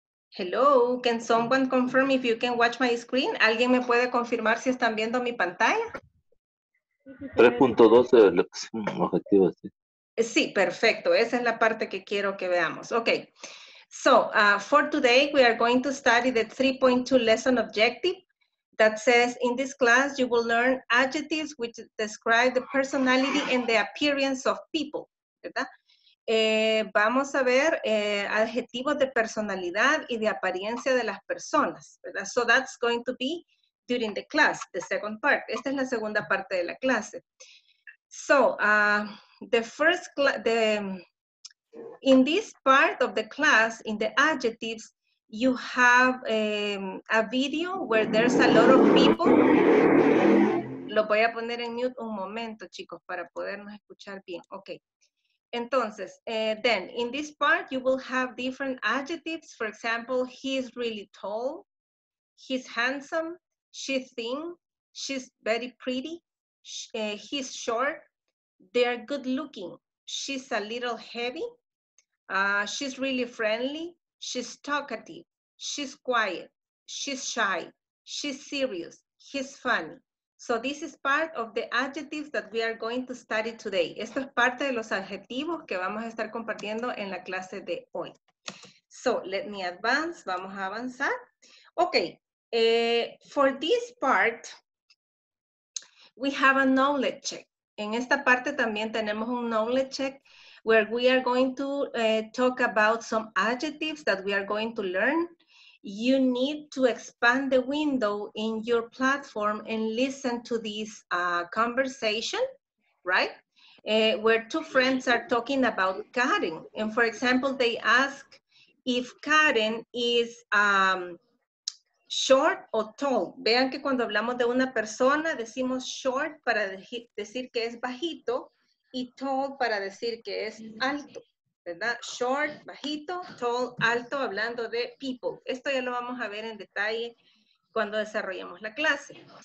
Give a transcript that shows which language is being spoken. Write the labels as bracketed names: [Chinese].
[English] Hello, can someone confirm if you can watch my screen? [Spanish] ¿Alguien me puede confirmar si están viendo mi pantalla? 3.12 objetivo, sí. Sí, perfecto. Esa es la parte que quiero que veamos. [English] Okay. So, for today, we are going to study the 3.2 lesson objective. That says, in this class, you will learn adjectives which describe the personality and the appearance of people, [Spanish] ¿verdad? Vamos a ver adjetivos de personalidad y de apariencia de las personas, ¿verdad? [English] So that's going to be during the class, the second part. [Spanish] Esta es la segunda parte de la clase. [English] So, the first class, in this part of the class, in the adjectives, you have a video where there's a lot of people. [Spanish] Lo voy a poner en mute un momento, chicos, para podernos escuchar bien. [English] Okay. [Spanish] Entonces, [English] then, in this part, you will have different adjectives. For example, he's really tall, he's handsome, she's thin, she's very pretty, he's short, they're good looking, she's a little heavy, she's really friendly, she's talkative, she's quiet, she's shy, she's serious, he's funny. So this is part of the adjectives that we are going to study today. [Spanish] Esto es parte de los adjetivos que vamos a estar compartiendo en la clase de hoy. [English] So let me advance, [Spanish] vamos a avanzar. [English] Okay, for this part, we have a knowledge check. [Spanish] En esta parte también tenemos un [English] knowledge check, where we are going to talk about some adjectives that we are going to learn. You need to expand the window in your platform and listen to this conversation, right? Where two friends are talking about Karen. And for example, they ask if Karen is short or tall. [Spanish] Vean que cuando hablamos de una persona, decimos short para decir que es bajito, y tall para decir que es alto, ¿verdad? Short, bajito, tall, alto, hablando de people. Esto ya lo vamos a ver en detalle cuando desarrollemos la clase.